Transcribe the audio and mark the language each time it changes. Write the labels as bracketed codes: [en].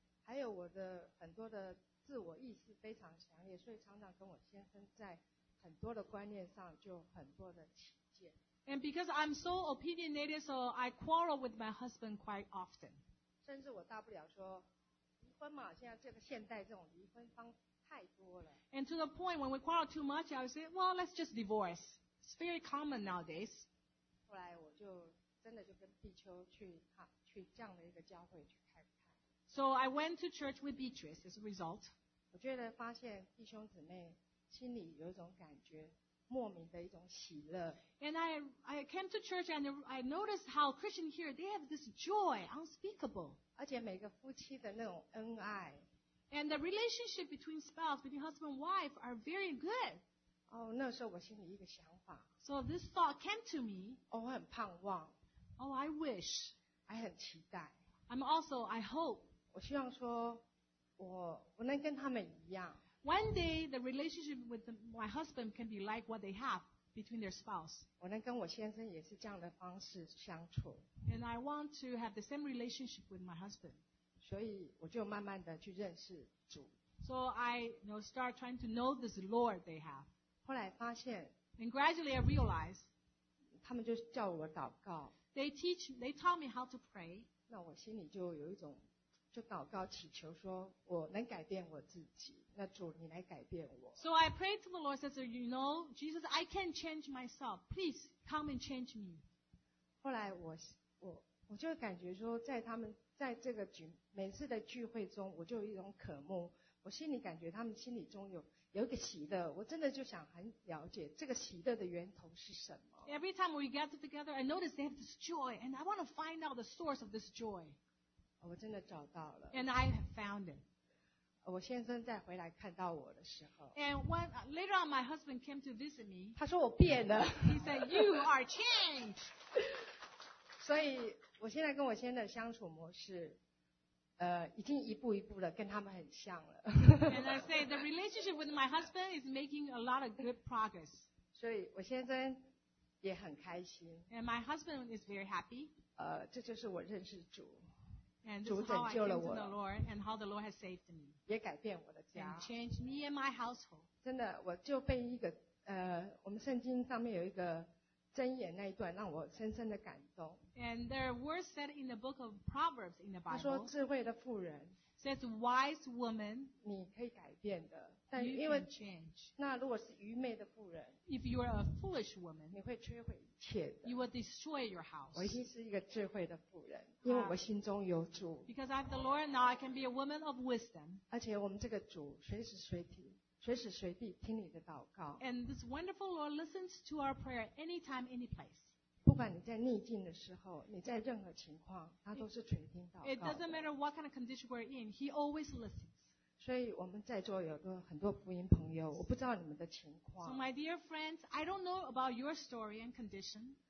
[zh] 还有我的很多的自我意识非常强烈，所以常常跟我先生在很多的观念上就很多的起见。 [en] And because I'm so opinionated, so I quarrel with my husband quite often. [zh] 甚至我大不了说现在这个现代这种离婚方太多了。 [en] And to the point when we quarrel too much, I would say, well, let's just divorce. It's very common nowadays. [zh] 后来我就真的就跟碧秋去这样的一个教会去看看。 [en] So I went to church with Beatrice as a result. [zh] 我觉得发现弟兄姊妹心里有一种感觉，莫名的一种喜乐。 [en] And I came to church and I noticed how Christians here, they have this joy, unspeakable. [zh] 而且每个夫妻的那种恩爱 [en] ，and the relationship between spouse, between husband and wife are very good. [zh] 哦，那时候我心里一个想法 [en] ，so this thought came to me. [zh] 哦，我很盼望 [en] ，oh I wish. [zh] 还很期待 [en] ，I'm also I hope. [zh] 我希望说我能跟他们一样 [en] ，one day the relationship with my husband can be like what they have. Between their spouse. [zh] 我能跟我先生也是这样的方式相处。 [en] And I want to have the same relationship with my husband. [zh] 所以我就慢慢的去认识主。 [en] So I, you know, start trying to know this Lord they have. [zh] 后来发现。 [en] And gradually I realized. [zh] 他们就叫我祷告。 [en] They taught me how to pray. [zh] 那我心里就有一种，就祷告祈求说，我能改变我自己。那主，你来改变我。 [en] So I prayed to the Lord, says, "You know, Jesus, I can't change myself. Please come and change me." [zh] 后来我就感觉说，在他们在这个每次的聚会中，我就有一种渴慕。我心里感觉他们心里中有一个喜乐。我真的就想很了解这个喜乐的源头是什么。 [en] Every time we get together, I notice they have this joy, and I want to find out the source of this joy. [zh] 我真的找到了。 [en] And I have found it. [zh] 我先生再回来看到我的时候 [en] ，And when later on my husband came to visit me， [zh] 他说我变了。 [en] He said you are changed。 [zh] 所以我现在跟我先生的相处模式，已经一步一步的跟他们很像了。 [en] And I say the relationship with my husband is making a lot of good progress。 [zh] 所以我先生也很开心。 [en] And my husband is very happy。 [zh] 这就是我认识主。 [en] And this is how I came to the Lord and how the Lord has saved me. [zh] 也改变我的家。 [en] And changed me and my household. [zh] 真的，我就被一个我们圣经上面有一个箴言那一段让我深深的感动。 [en] And there are words said in the book of Proverbs in the Bible. [zh] 他说智慧的妇人。 [en] Says wise woman. [zh] 你可以改变的。 [en] You can change. [zh] 那如果是愚昧的妇人。 [en] If you are a foolish woman. [zh] 你会摧毁一切的。 [en] You will destroy your house. [zh] 我已经是一个智慧的妇人。因为我心中有主。 [en] Because I have the Lord, now I can be a woman of wisdom. [zh] 而且我们这个主随时随地。随时随地听你的祷告。 [en] And this wonderful Lord listens to our prayer anytime, any place. [zh] 不管你在逆境的时候，你在任何情况，他都是垂听祷告。 [en] It doesn't matter what kind of condition we're in, He always listens. [zh] 所以我们在座有个很多福音朋友，我不知道你们的情况。 [en] So my dear friends, I don't know about your story and condition.